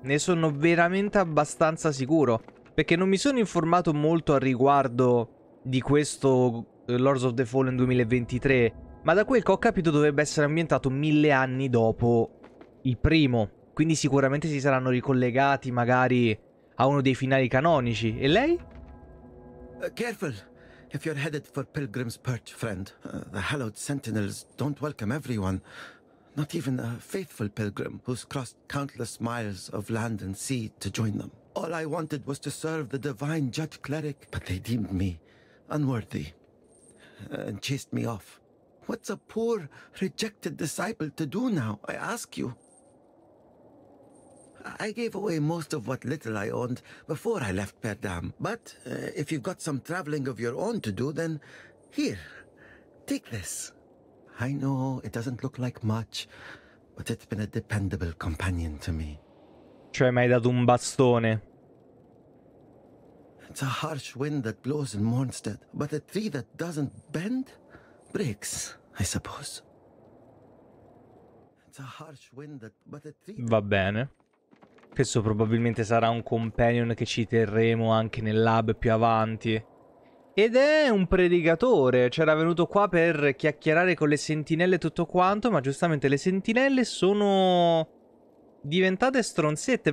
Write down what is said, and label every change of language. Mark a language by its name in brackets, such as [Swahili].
[Italian] Ne sono veramente abbastanza sicuro. Perché non mi sono informato molto al riguardo di questo Lords of the Fallen 2023. Ma da quel che ho capito dovrebbe essere ambientato 1000 anni dopo il primo. Quindi sicuramente si saranno ricollegati magari a uno dei finali canonici. E lei? [English] Careful. If you're headed for Pilgrim's Perch, friend, the hallowed sentinels don't welcome everyone. Not even a faithful pilgrim who's crossed countless miles of land and sea to join them. All I wanted was to serve the divine judge cleric, but they deemed me unworthy and chased me off. What's a poor, rejected disciple to do now, I ask you? I gave away most of what little I owned before I left Perdam. But if you've got some traveling of your own to do, then here, take this. I know it doesn't look like much, but it's been a dependable companion to me. [Italian] Cioè, mi hai dato un bastone. [English] It's a harsh wind that blows in Mornstead, but a tree that doesn't bend breaks, I suppose. It's a harsh wind that, but a tree [Italian] Va [English] that. [Italian] bene. Questo probabilmente sarà un companion che ci terremo anche nel lab più avanti. Ed è un predicatore. C'era venuto qua per chiacchierare con le sentinelle e tutto quanto. Ma giustamente le sentinelle sono diventate stronzette.